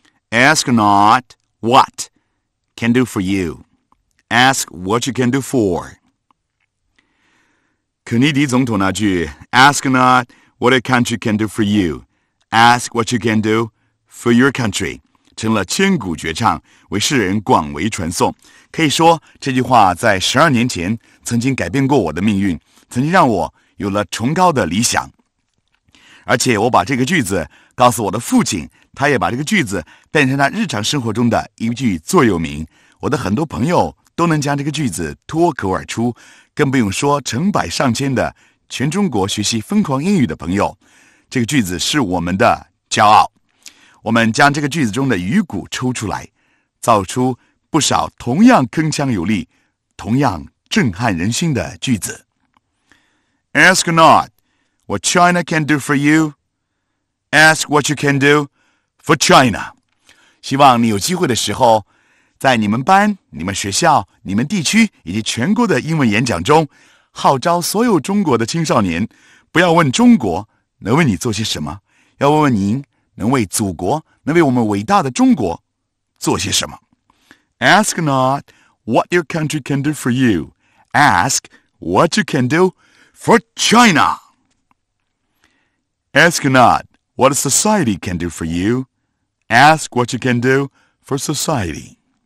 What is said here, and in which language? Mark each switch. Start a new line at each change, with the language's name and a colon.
English: Ask not what can do for you. Ask what you can do for.
Chinese: 肯尼迪总统那句
English: Ask not what a country can do for you. Ask what you can do for your country.
Chinese: 成了千古绝唱，为世人广为传颂。可以说，这句话在12年前曾经改变过我的命运，曾经让我有了崇高的理想。而且我把这个句子告诉我的父亲，他也把这个句子变成他日常生活中的一句座右铭。我的很多朋友都能将这个句子脱口而出，更不用说成百上千的全中国学习疯狂英语的朋友。这个句子是我们的骄傲。我们将这个句子中的鱼骨抽出来，造出不少同样铿锵有力、同样震撼人心的句子。
English: Ask not what China can do for you, ask what you can do for China.
Chinese: 希望你有机会的时候，在你们班、你们学校、你们地区以及全国的英文演讲中，号召所有中国的青少年，不要问中国能为你做些什么，要问问您能为祖国、能为我们伟大的中国做些什么。
English: Ask not what your country can do for you, ask what you can do for China. Ask not what society can do for you, ask what you can do for society.